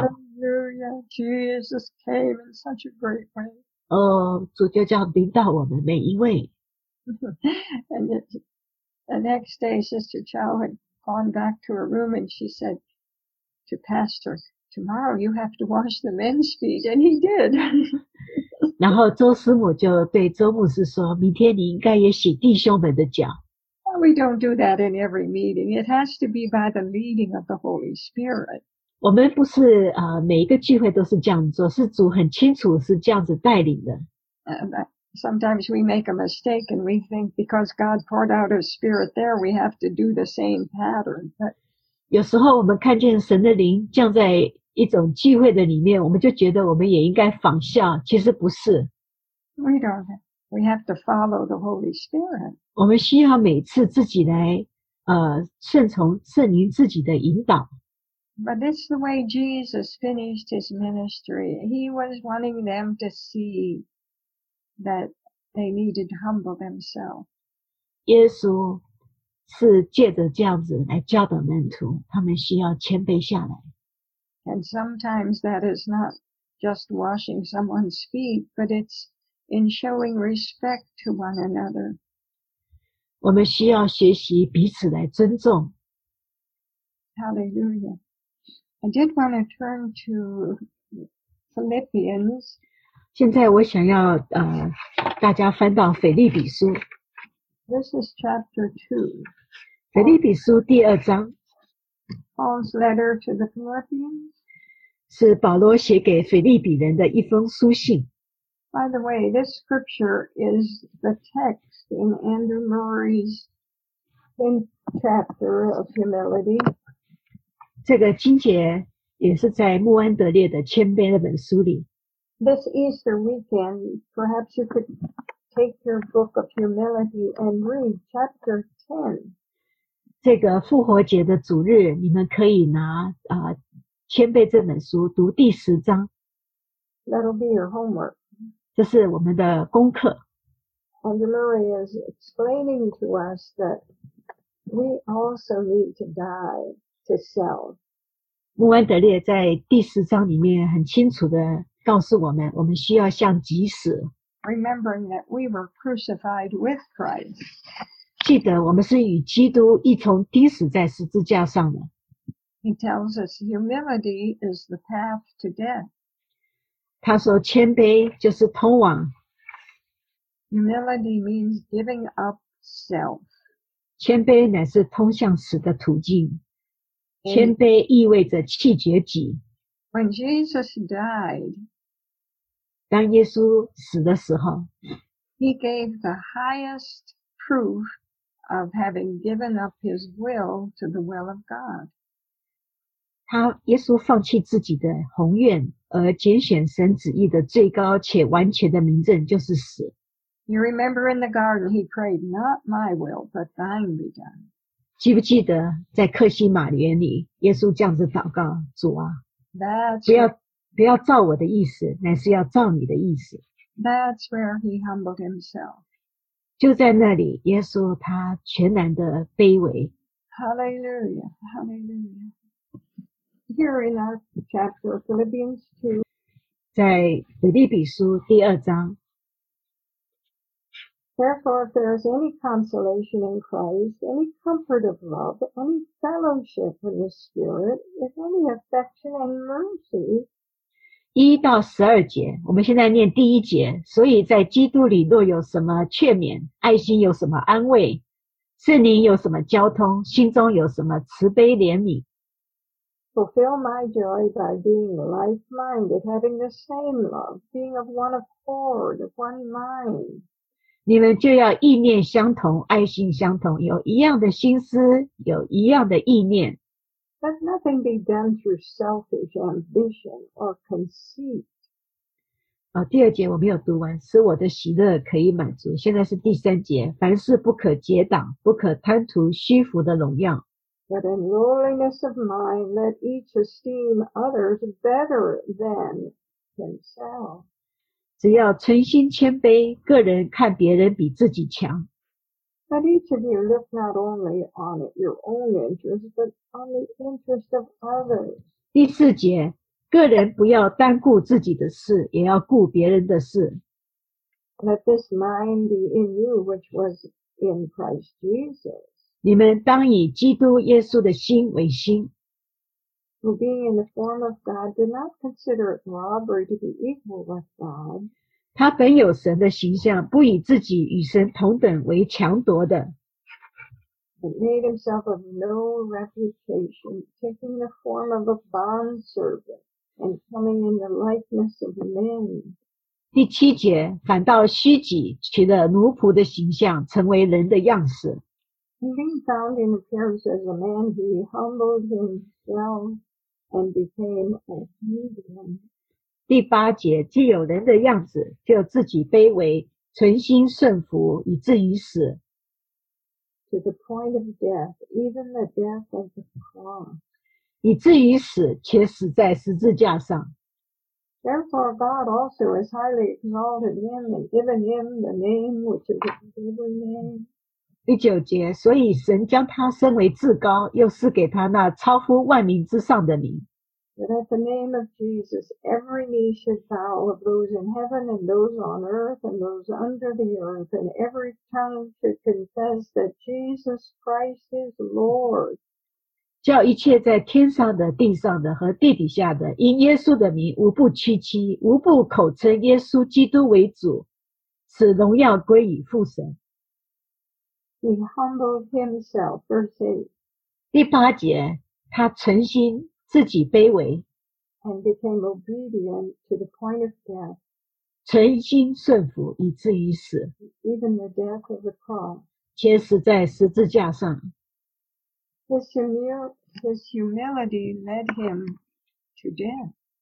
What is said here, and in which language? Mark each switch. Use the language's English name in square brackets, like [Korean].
[English] Hallelujah, Jesus came in such a great way. [Chinese] 主就这样临到我们每一位。 [English] And the next day, Sister Chow had gone back to her room and she said to Pastor, Tomorrow you have to wash the men's feet. And he did. [Chinese] 然后周师母就对周牧师说，明天你应该也洗弟兄们的脚。 [English] We don't do that in every meeting. It has to be by the leading of the Holy Spirit. [Chinese] 我们不是每一个聚会都是这样做，是主很清楚是这样子带领的。 [English] Sometimes we make a mistake and we think because God poured out His Spirit there, we have to do the same pattern. But [Chinese] 有时候我们看见神的灵降在一种聚会的里面，我们就觉得我们也应该仿效，其实不是。 [English] We don't have. We have to follow the Holy Spirit. [Chinese] 我们需要每次自己来顺从圣灵自己的引导。 [English] But this is the way Jesus finished his ministry. He was wanting them to see that they needed to humble themselves. [Chinese] 耶稣是借着这样子来教导门徒，他们需要谦卑下来。 [English] And sometimes that is not just washing someone's feet, but it'sIn showing respect to one another. [Chinese] 我们需要学习彼此来尊重。 [English] Hallelujah. I did want to turn to Philippians. [Chinese] 现在我想要大家翻到腓立比书。 [English] This is chapter 2. [Chinese] 腓立比书第二章。 [English] Paul's letter to the Philippians. [Chinese] 是保罗写给腓立比人的一封书信。 [English] By the way, this scripture is the text in Andrew Murray's chapter of humility. [Chinese] 这个经节也是在穆安德烈的谦卑那本书里。 [English] This Easter weekend, perhaps you could take your book of humility and read chapter 10. [Chinese] 这个复活节的主日你们可以拿谦卑这本书读第十章。 [English] That'll be your homework. [Chinese] 这是我们的功课。 [English] Andrew Murray is explaining to us that We also need to die to self. [Chinese] 穆安德烈在第十章里面很清楚地告诉我们，我们需要向己死。 [English] Remembering that we were crucified with Christ. [Chinese] 记得我们是与基督一同钉死在十字架上的。 [English] He tells us humility is the path to death. [Chinese] 他说谦卑就是通往。 [English] Humility means giving up self. [Chinese] 谦卑乃是通向死的途径。谦卑意味着弃绝己。 [English] When Jesus died, [Chinese] 当耶稣死的时候， [English] He gave the highest proof of having given up His will to the will of God. [Chinese] 他耶稣放弃自己的宏愿，而拣选神旨意的最高且完全的明证就是死。 [English] You remember in the garden, He prayed, "Not my will, but Thine be done." [Chinese] 记不记得在客西马园里，耶稣这样子祷告：“主啊， [English] That's [Chinese] 不要照我的意思，乃是要照你的意思。” [English] That's where he humbled himself. [Chinese] 就在那里，耶稣他全然的卑微。 [English] Hallelujah, Hallelujah. Here in our chapter of Philippians 2, [Chinese] 在腓立比书第二章。 [English] Therefore, if there is any consolation in Christ, any comfort of love, any fellowship with the Spirit, if any affection and mercy. [Chinese] 一到十二节，我们现在念第一节。所以在基督里若有什么劝勉，爱心有什么安慰，圣灵有什么交通，心中有什么慈悲怜悯。 [English] Fulfill my joy by being like-minded, having the same love, being of one accord, of one mind. [Chinese] 你们就要意念相同，爱心相同，有一样的心思，有一样的意念。 [English] Let nothing be done through selfish ambition or conceit. [Chinese] 第二节我没有读完，使我的喜乐可以满足。现在是第三节，凡事不可结党，不可贪图虚浮的荣耀。 [English] But in lowliness of mind, let each esteem others better than himself. [Chinese] 只要存心谦卑，个人看别人比自己强。 [English] But each of you look not only on your own interests, but on the interests of others. [Chinese] 第四节，个人不要单顾自己的事，也要顾别人的事。 [English] Let this mind be in you, which was in Christ Jesus. [Chinese] 你们当以基督耶稣的心为心。 [English] Who being in the form of God did not consider it robbery to be equal with God. [Chinese] 他本有神的形象，不以自己与神同等为强夺的。 [English] But made himself of no reputation, taking the form of a bondservant and coming in the likeness of men. [Chinese] 第七节，反倒虚己，取了奴仆的形象，成为人的样式。 [English] And being found in appearance as a man, he humbled himself and became obedient. [Chinese] 第八节，既有人的样子，就自己卑微，存心顺服，以至于死。 [English] To the point of death, even the death of the cross. [Chinese] 以至于死，且死在十字架上。 [English] Therefore, God also has highly exalted him and given him the name which is above every name. [Chinese] 第九节，所以神将他升为至高，又赐给他那超乎万民之上的名。 [English] That at the name of Jesus, every knee should bow of those in heaven and those on earth and those under the earth, and every tongue should confess that Jesus Christ is Lord. [Chinese] 叫一切在天上的、地上的和地底下的，因耶稣的名，无不屈膝，无不口称耶稣基督为主，使荣耀归于父神。 [English] He humbled himself, verse 8. [Chinese] 第八节，他存心自己卑微。 [English] And became obedient to the point of death. [Chinese] 存心顺服以至于死。 [English] Even the death of the cross. [Chinese] 且死在十字架上。 [English] His humility led him to death.